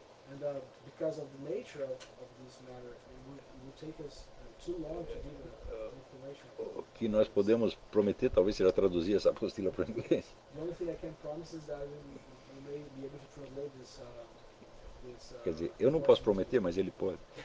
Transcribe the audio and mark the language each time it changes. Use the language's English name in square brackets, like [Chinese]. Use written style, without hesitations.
[English] And because of the nature of this matter, it would take us too long to give information. [Portuguese] O que nós podemos prometer, talvez, será traduzir essa apostila para o inglês. [English] The only thing I can promise is that we may be able to translate this. [Portuguese] Quer dizer, eu não posso prometer, mas ele pode.